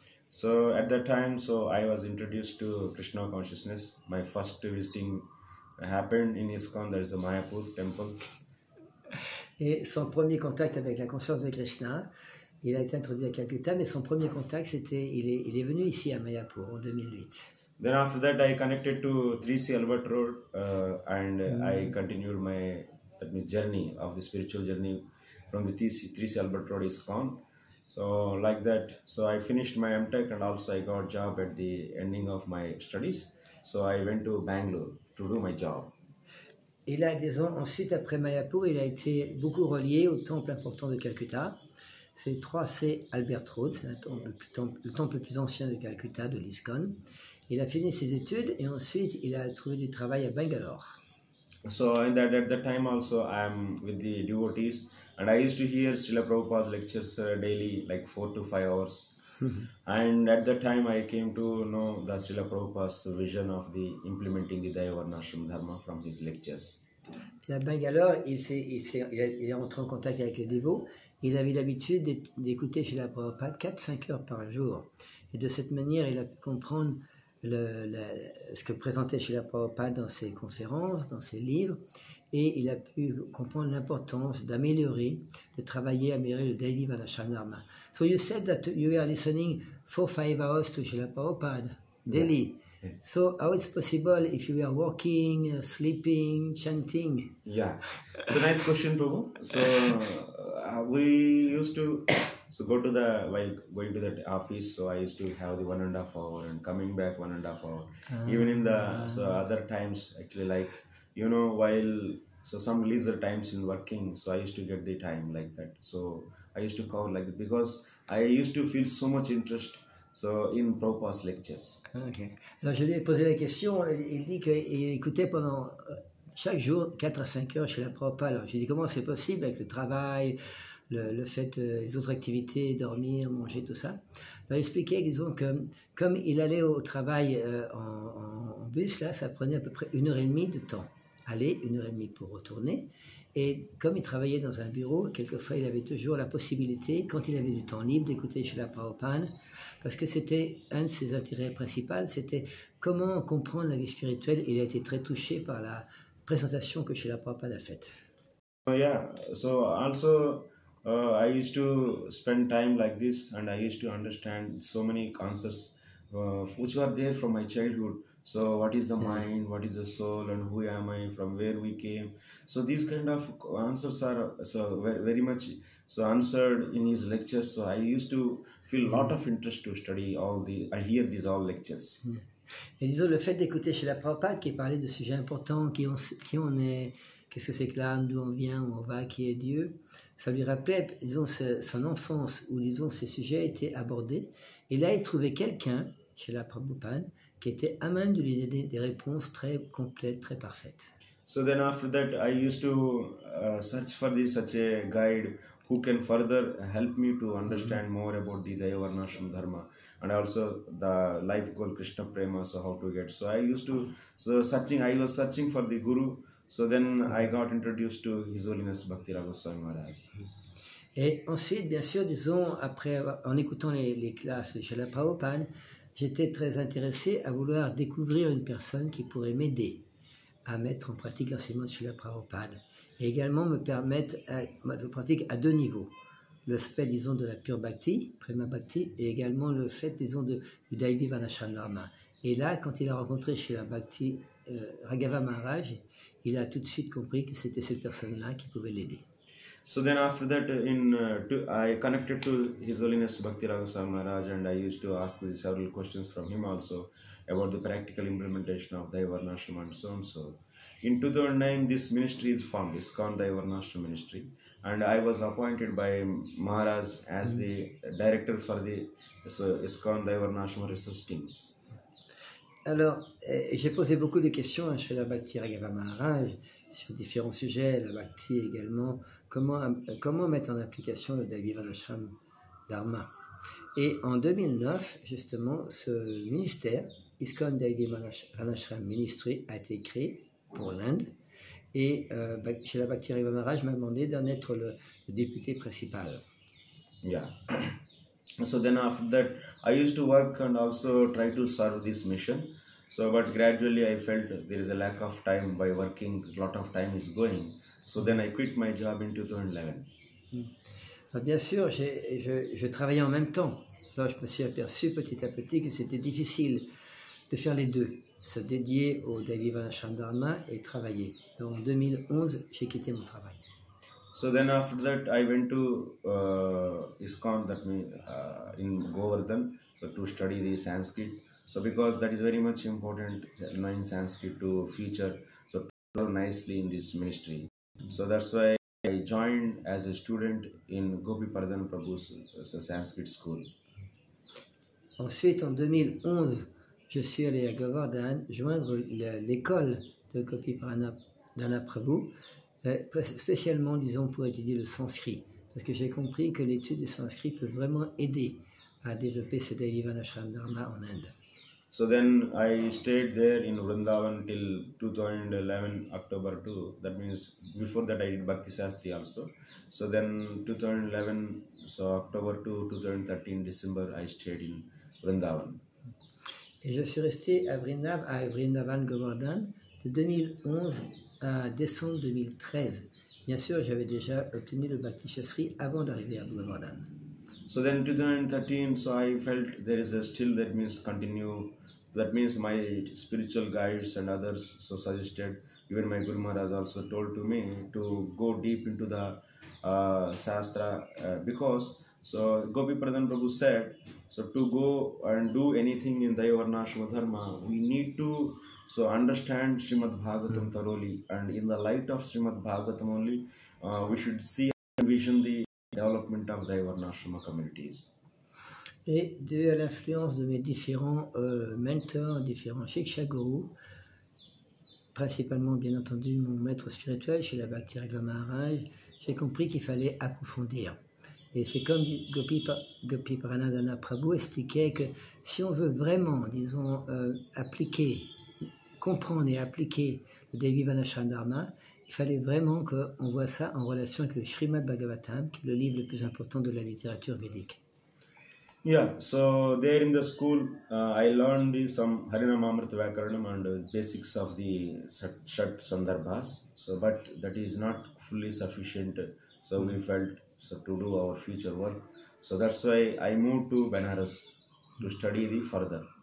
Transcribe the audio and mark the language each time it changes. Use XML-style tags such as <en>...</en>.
<en>So at that time, so I was introduced to Krishna consciousness. My first visiting happened in ISKCON, there is a Mayapur temple.</en> <fr>Et son premier contact avec la conscience de Krishna, il a été introduit à Calcutta, mais son premier contact, c'était, il est venu ici à Mayapur en 2008.</fr> <en>Then after that, I connected to 3C Albert Road and I continued my, that means journey of the spiritual journey from the 3C Albert Road ISKCON. So like that, so I finished my M.Tech and also I got job at the ending of my studies. So I went to Bangalore to do my job.</en> <fr>Et là, disons, ensuite après Mayapur, il a été beaucoup relié au temple important de Calcutta. C'est 3C Albert Road, c'est le temple le plus ancien de Calcutta, de l'ISKCON. Il a fini ses études et ensuite il a trouvé du travail à Bangalore.</fr> <en>So in that, at that time also I am with the devotees and I used to hear Srila Prabhupada's lectures daily like 4 to 5 hours. And at that time I came to know the Srila Prabhupada's vision of the implementing the Daivi Varnashram Dharma from his lectures.</en> <fr>Et à Bangalore, il est entré en contact avec les dévots. Il avait l'habitude d'écouter Srila Prabhupada 4-5 heures par jour. Et de cette manière, il a pu comprendre ce que présentait Srila Prabhupada dans ses conférences, dans ses livres, et il a pu comprendre l'importance d'améliorer, de travailler, améliorer le Daivi Varnashram Dharma.</fr> <en>So you said that you were listening 4-5 hours to Srila Prabhupada daily. Yeah. So how is possible if you were walking, sleeping, chanting? Yeah, so nice question, Prabhu. So we used to going to the office. So I used to have the 1.5 hour and coming back 1.5 hour. Even in the so other times, actually, like you know, while so some leisure times in working, so I used to get the time like that. So I used to call like that because I used to feel so much interest. So in Prabhupada's lectures. Okay.</en> <fr>Alors je lui ai posé la question, il dit qu'il écoutait pendant chaque jour 4 à 5 heures chez la Prabhupada. Alors j'ai dit comment c'est possible avec le travail, le fait, les autres activités, dormir, manger, tout ça. Alors il expliquait, disons, que comme il allait au travail en bus, là, ça prenait à peu près 1h30 de temps. Aller, 1h30 pour retourner. Et comme il travaillait dans un bureau, quelquefois il avait toujours la possibilité, quand il avait du temps libre, d'écouter Srila Prabhupada, parce que c'était un de ses intérêts principaux, c'était comment comprendre la vie spirituelle. Il a été très touché par la présentation que Srila Prabhupada a faite.</fr> <en>Yeah, so also I used to spend time like this and I used to understand so many concepts which were there from my childhood. So what is the mind, what is the soul, and who am I, from where we came? So these kind of answers are so very much so answered in his lectures. So I used to feel a lot of interest to study all the, hear these all lectures. Yeah.</en> <fr>Et disons, le fait d'écouter Srila Prabhupada qui parlait de sujets importants, qui on est, qu'est-ce que c'est que l'âme, d'où on vient, où on va, qui est Dieu, ça lui rappelait, disons, son enfance où, disons, ces sujets étaient abordés. Et là, il trouvait quelqu'un, Srila Prabhupada, qui était à même de lui donner des réponses très complètes, très parfaites.</fr> <en>So then after that, I used to search for this such a guide who can further help me to understand more about the Dayavarnashram Dharma and also the life called Krishna Prema, so how to get. So I was searching for the Guru. So then I got introduced to His Holiness Bhaktira Goswami Maharaj.</en> <fr>Et ensuite, bien sûr, disons, après, en écoutant les classes de Srila Prabhupada, j'étais très intéressé à vouloir découvrir une personne qui pourrait m'aider à mettre en pratique l'enseignement de Srila Prabhupada et également me permettre à mettre en pratique à deux niveaux. L'aspect, disons, de la pure bhakti, prema bhakti, et également le fait, disons, du daivi vanashram dharma. Et là, quand il a rencontré Srila Bhakti Raghava Maharaj, il a tout de suite compris que c'était cette personne-là qui pouvait l'aider.</fr> <en>So then after that, I connected to His Holiness Bhaktiraghu Swami Maharaj and I used to ask several questions from him also about the practical implementation of Dayavarnashram and so on. So in 2009, this ministry is formed, this Iskcon Dayavarnashram ministry, and I was appointed by Maharaj as the director for the Iskcon Dayavarnashram research teams.</en> <fr>Alors, j'ai posé beaucoup de questions à Srila Bhaktiraghava Maharaj sur différents sujets, la bhakti également, comment mettre en application le Daivi Vanashram Dharma. Et en 2009, justement, ce ministère, Iskcon Daivi Vanashram Ministry, a été créé pour l'Inde. Et Srila Bhaktiraghava Maharaj m'a demandé d'en être le député principal.</fr> <en>Yeah. So then after that, I used to work and also try to serve this mission. So, but gradually I felt there is a lack of time by working, a lot of time is going. So then I quit my job in 2011.</en> <fr>Bien sûr, je travaillais en même temps. Alors je me suis aperçu petit à petit que c'était difficile de faire les deux, se dédier au Daivi Vanashram Dharma et travailler. Donc en 2011, j'ai quitté mon travail.</fr> <en>So then after that, I went to ISKCON, that means in Govardhan, so to study the Sanskrit. So because that is very much important, knowing Sanskrit to feature, so to grow nicely in this ministry. So that's why I joined as a student in Gopi Paradhan Prabhu's Sanskrit school.</en> <fr>Ensuite, en 2011, je suis allé à Govardhan, joindre l'école de Gopi Paradhan Prabhu, spécialement, disons, pour étudier le sanskrit, parce que j'ai compris que l'étude du sanskrit peut vraiment aider à développer ce Daivi Vanashram Dharma en Inde.</fr> <en>So then I stayed there in Vrindavan till 2011 October 2. That means before that I did Bhakti Shastri also. So then 2011, so October 2, 2013 December I stayed in Vrindavan.</en> <fr>Et je suis resté à Vrindavan Govardhan de 2011. À décembre 2013. Bien sûr, j'avais déjà obtenu le Bhakti Shastri avant d'arriver à Govardhan.</fr> <en>So then 2013, so I felt there is a still, that means continue, that means my spiritual guides and others so suggested, even my Guru Maharaj also told to me to go deep into the Shastra because so Gopi Pradhan Prabhu said, so to go and do anything in Dayavarnashram Dharma, we need to so understand Srimad Bhagavatam thoroughly, and in the light of Srimad Bhagavatam only, we should see and envision the development of Dayavarnashrama communities.</en> <fr>Et dû à l'influence de mes différents mentors, différents Shiksha Gurus, principalement bien entendu mon maître spirituel, Srila Bhaktiraghava Maharaj, j'ai compris qu'il fallait approfondir. Et c'est comme Gopi Pranadana Prabhu expliquait que si on veut vraiment, disons, appliquer, comprendre et appliquer le Daivi Vanashram Dharma, il fallait vraiment qu'on voit ça en relation avec le Srimad Bhagavatam, qui est le livre le plus important de la littérature védique.</fr> <en>Yeah, so there in the school, I learned some Harinamamrita Vyakaranam and basics of the Shat Sandarbhas. So, but that is not fully sufficient, so we felt so to do our future work. So that's why I moved to Benares to study the further.</en>